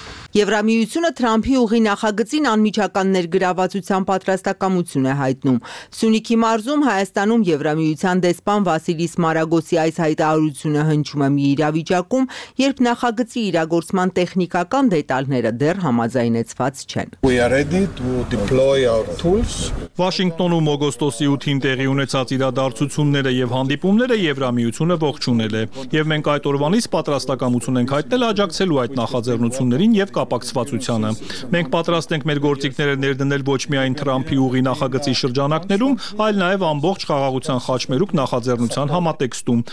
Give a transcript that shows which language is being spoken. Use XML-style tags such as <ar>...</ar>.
<hy>Եվրամիությունը Թրամփի ուղի նախագծին անմիջական ներգրավվածության պատրաստակամություն է հայտնում։ Սյունիքի մարզում Հայաստանում Եվրամիության դեսպան Վասիլիս Մարագոսի այս հայտարարությունը հնչում է մի իրավիճակում, երբ նախագծի իրագործման տեխնիկական դետալները դեռ համաձայնեցված չեն։</hy> <en>We are ready to deploy our tools.</en> <hy>Վաշինգտոնում օգոստոսի 8-ին տեղի ունեցած իրադարձությունները եւ հանդիպումները Եվրամիությունը ողջունել է, եւ մենք այդ օրվանից պատրաստակամություն ենք հայտնել աջակցելու այդ նախաձեռնություններին և կապակցվածությանը։ Մենք պատրաստ ենք մեր գործիքները ներդնել ոչ միայն Թրամփի ուղի նախագծի շրջանակներում, այլ նաև ամբողջ խաղաղության խաչմերուկ նախաձեռնության համատեքստում։</hy>